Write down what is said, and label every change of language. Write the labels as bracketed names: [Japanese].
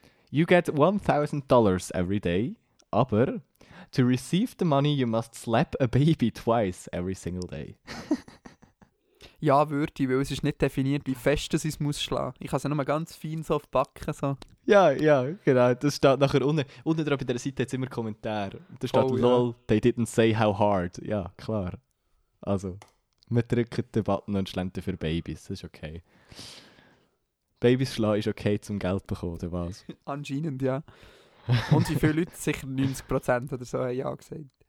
[English] You get $1,000 every day, [German] aber [English] to receive the money you must slap a baby twice every single day. [German] Ja, würde ich, weil es ist nicht definiert, wie fest es muss schlagen. Ich kann es nochmal ganz fein so auf die Backen. So. Ja, genau. Das steht nachher unten. Unten drauf in der Seite hat es immer Kommentare. Da steht, [English] lol, they didn't say how hard. [German] Ja, klar. Also, wir drücken den Button und schlenden für Babys. Das ist okay. Babys schlagen ist okay, zum Geld bekommen, oder was? Anscheinend, ja. Und wie viele Leute sicher 90% oder so haben ja gesagt.